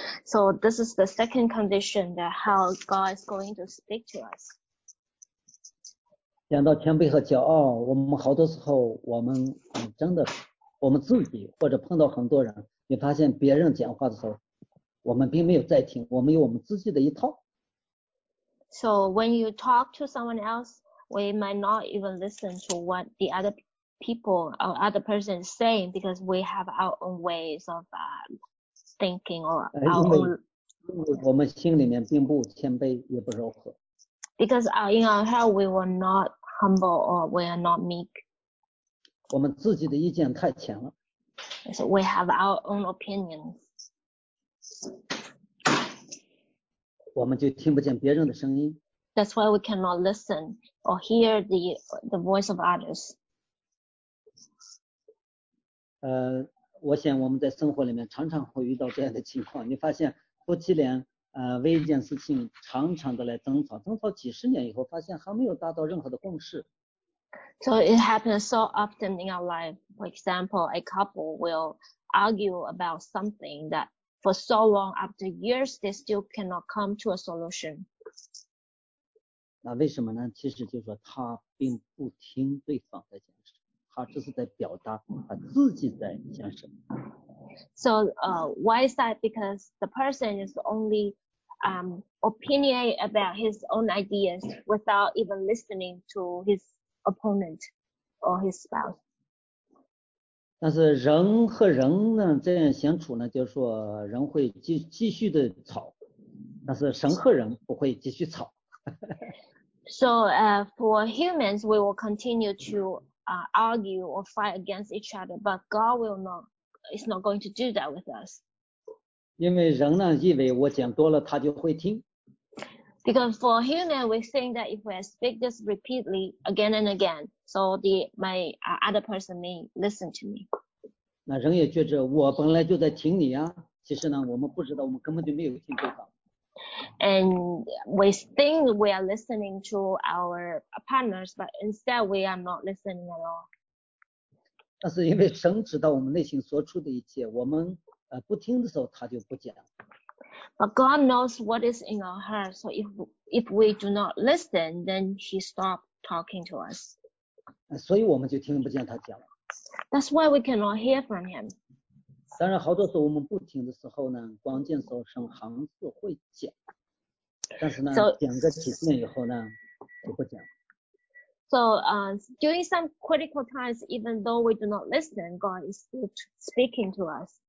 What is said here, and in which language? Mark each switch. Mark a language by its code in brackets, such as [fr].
[en] So this is the second condition that how God is going to speak to us. [zh] 讲到谦卑和骄傲，我们好多时候我们真的。我们自己或者碰到很多人，你发现别人讲话的时候，我们并没有在听，我们有我们自己的一套。 [en] So when you talk to someone else, we might not even listen to what the other people or other person is saying because we have our own ways of thinking or our own. [zh] 因为我们心里面并不谦卑，也不柔和。 [en] Because in our heart we were not humble or we are not meek. [zh] 我们自己的意见太浅了。 [en] So we have our own opinions. [zh] 我们就听不见别人的声音。 [en] That's why we cannot listen or hear the voice of others. [zh] 我想我们在生活里面常常会遇到这样的情况。你发现夫妻俩为一件事情常常的来争吵，争吵几十年以后，发现还没有达到任何的共识。 [en] So it happens so often in our life. For example, a couple will argue about something that for so long, after years, they still cannot come to a solution. [zh] 那为什么呢？其实就是说他并不听对方在讲什么，他只是在表达他自己在讲什么。 [en] So why is that? Because the person is only opinionate about his own ideas without even listening to his. opponent or his spouse. [zh] 但是人和人呢这样相处呢，就是说人会继续的吵，但是神和人不会继续吵。 [en] So for humans, we will continue to argue or fight against each other, but God will not, is not going to do that with us. [zh] 因为人呢以为我讲多了他就会听。 [en] Because for human, we think that if we speak this repeatedly again and again, so my other person may listen to me. [zh] 那人也觉着我本来就在听你啊，其实呢，我们不知道，我们根本就没有听对方。 [en] And we think we are listening to our partners, but instead we are not listening at all. [zh] 那是因为神知道我们内心所处的一切，我们不听的时候，他就不讲。 [en] But God knows what is in our heart, so if we do not listen, then He stops talking to us. [zh] 所以我们就听不见他讲。 [en] That's why we cannot hear from Him. [zh] 当然，好多时候我们不听的时候呢，关键时候神还是会讲。但是呢，讲个几次以后呢，就不讲。 [en] So during some critical times, even though we do not listen, God is still speaking to us.